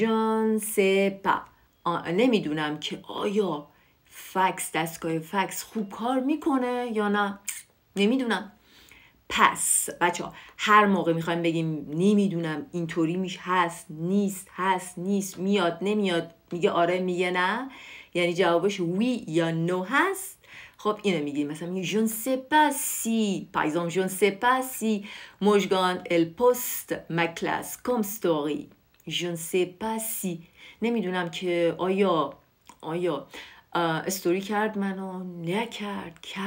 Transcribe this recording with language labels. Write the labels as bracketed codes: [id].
[fr] je ne sais pas [fa] نمیدونم که آیا fax، دستگاه fax خوب کار میکنه یا نه، نمیدونم. پس بچه ها هر موقع میخوایم بگیم نمیدونم، اینطوری میشه، هست نیست میاد نمیاد، میگه آره میگه نه، یعنی جوابش وی یا نو هست، خب اینو میگیم. مثلا میگه [fr] je ne sais pas si، par exemple je ne sais pas si مژگان elle poste ma classe comme story. je ne sais pas si، [fa] نمیدونم که آیا استوری کرد منو، نکرد.